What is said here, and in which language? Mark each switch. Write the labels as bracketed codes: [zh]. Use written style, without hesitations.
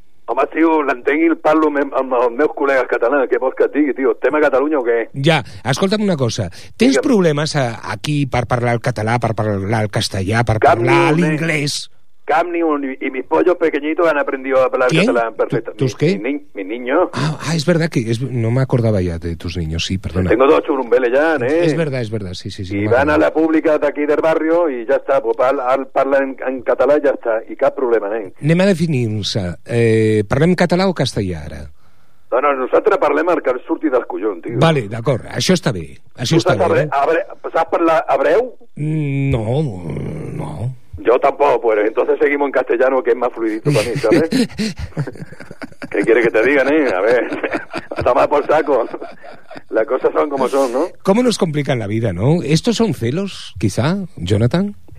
[ca] Home, tio, l'entenc i el parlo amb els meus col·legues catalans. Què vols que et digui, tio? Estem a Catalunya o què? Ja, escolta'm una cosa. Tens problemes aquí per parlar el català, per parlar el castellà, per parlar l'anglès? Cap ni un. [es] I mis pollos pequeñitos han aprendido a hablar català perfectament. Tus què? Mis niños. [ca] Ah, és verdad que no m'acordava ja de [es] tus niños, [ca] sí, perdona. [es] Tengo dos churumbeles ya, ¿eh? Es verdad, sí. [ca] I van a la pública d'aquí del barrio i ja està, pues parlen en català i ja està, i cap problema, nen. Anem a definir-nos. Parlem català o castellà, ara? No, nosaltres parlem el que surti del collon, tio. Vale, d'acord, això està bé. Això està bé. Saps parlar hebreu? No. [es] Yo tampoco, pues entonces seguimos en castellano, que es más fluidito para mí, ¿sabes? ¿Qué quiere que te digan, eh? A ver, a tomar por saco. Las cosas son como son, ¿no? ¿Cómo nos complican la vida, no? ¿Estos son celos, quizá, Jonathan?